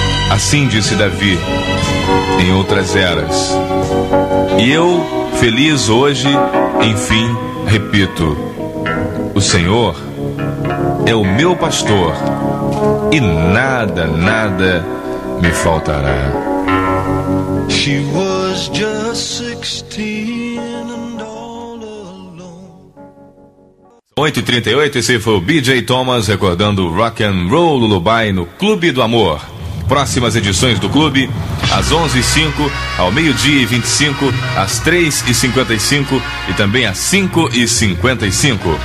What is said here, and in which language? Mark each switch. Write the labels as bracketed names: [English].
[Portuguese] Assim disse Davi em outras eras. E eu, feliz hoje, enfim, repito: o Senhor é o meu pastor e nada, nada me faltará. [English] She was just 16 and all alone. [Portuguese] 8h38, esse foi o BJ Thomas recordando Rock and Roll Lullaby no Clube do Amor. Próximas edições do Clube, às 11h05, ao meio-dia e 25, às 3h55 e também às 5h55.